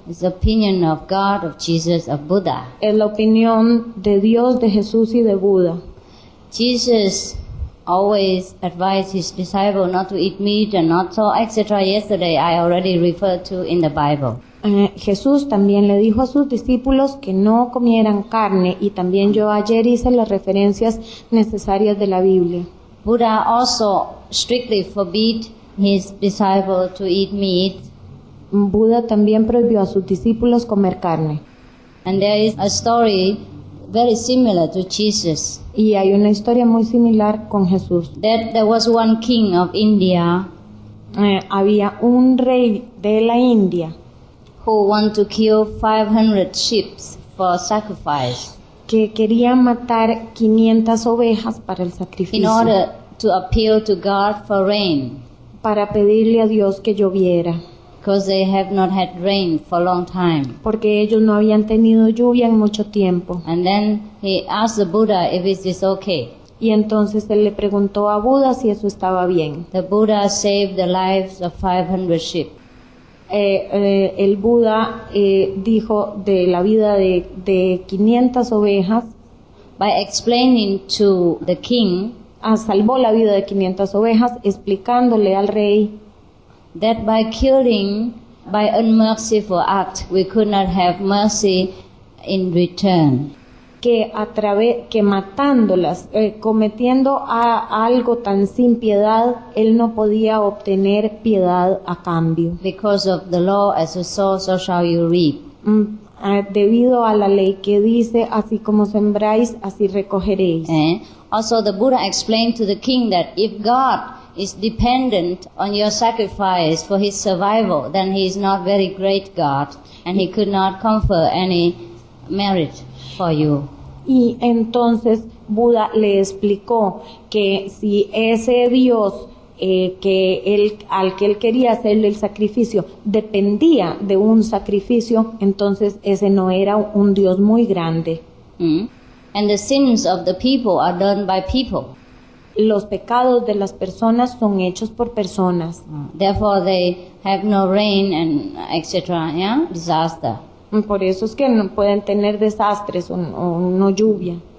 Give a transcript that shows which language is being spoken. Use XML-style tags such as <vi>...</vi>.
<en>It's the opinion of God, of Jesus, of Buddha.</en> <es>Es la opinión de Dios, de Jesús y de Buda.</es> <en>Jesus always advised his disciples not to eat meat and not so, etc. Yesterday I already referred to in the Bible.</en> <es>Jesús también le dijo a sus discípulos que no comieran carne y también yo ayer hice las referencias necesarias de la Biblia.</es> <en>Buddha also strictly forbid his disciples to eat meat.</en> <es>Buda también prohibió a sus discípulos comer carne.</es> <en>And there is a story very similar to Jesus.</en> <es>Y hay una historia muy similar con Jesús.</es> <en>That there was one king of India.</en> <es>Había un rey de la India.</es> <en>Who want to kill 500 sheep for sacrifice.</en> <es>Que quería matar 500 ovejas para el sacrificio.</es> <en>In order to appeal to God for rain.</en> <es>Para pedirle a Dios que lloviera.</es> <en>Because they have not had rain for a long time.</en> <es>Porque ellos no habían tenido lluvia en mucho tiempo.</es> <en>And then he asked the Buddha if it is okay.</en> <es>Y entonces él le preguntó a Buda si eso estaba bien.</es> <en>The Buddha saved the lives of 500 sheep.</en> <es>El Buda dijo de la vida de 500 ovejas.</es> <en>By explaining to the king.</en> <es>Salvó la vida de 500 ovejas explicándole al rey.</es> <en>That by killing, by unmerciful act, we could not have mercy in return.</en> <es>Que matándolas, cometiendo algo tan sin piedad, él no podía obtener piedad a cambio.</es> <en>Because of the law, as you sow, so shall you reap.</en> <es>Debido a la ley que dice, así como sembráis, así recogeréis.</es> <en>Also, the Buddha explained to the king that if God is dependent on your sacrifice for his survival, then he is not very great God, and he could not confer any merit for you.</en> <es>Y entonces Buda le explicó que si ese Dios que él, al que él quería hacerle el sacrificio dependía de un sacrificio, entonces ese no era un Dios muy grande.</es> <en>And the sins of the people are done by people.</en> <es>Los pecados de las personas son hechos por personas.</es> <en>Therefore, they have no rain and etc. Yeah, disaster.</en> <es>Por eso es que no pueden tener desastres o no lluvia.</es>